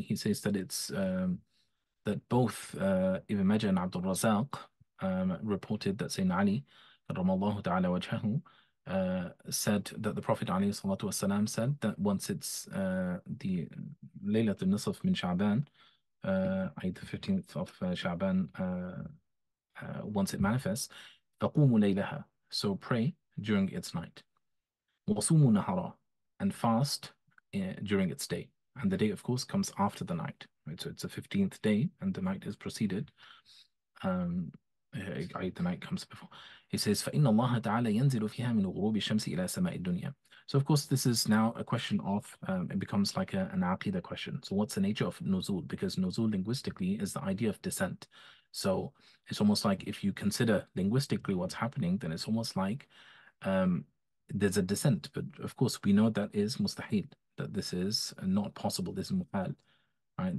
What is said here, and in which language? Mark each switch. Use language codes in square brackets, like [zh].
[en] He says that it's that both Ibn Majah and Abdul Razak reported that Sayyidina Ali, Ramallahu ta'ala wajhahu, said that the Prophet alayhi salatu wasalam said that once it's the Laylat the Nisf min Sha'ban, the 15th of Sha'ban, once it manifests, [ar] فَقُومُ لَيْلَهَا, [en] so pray during its night. [ar] وَصُومُ نَهَرًا, [en] and fast during its day. And the day, of course, comes after the night. Right? So it's a 15th day, and the night is preceded. The night comes before. [ar] He says, فَإِنَّ اللَّهَ تَعَالَى يَنزِلُ فِيهَا مِنْ غُرُوبِ الشَّمْسِ إِلَى سَمَاءِ الدُّنْيَا. [en] So, of course, this is now a question of, it becomes like an aqida question. So what's the nature of nuzul? Because nuzul linguistically is the idea of descent. So it's almost like if you consider linguistically what's happening, then it's almost like there's a descent. But of course, we know that is mustahil, that this is not possible, this is muhal, right?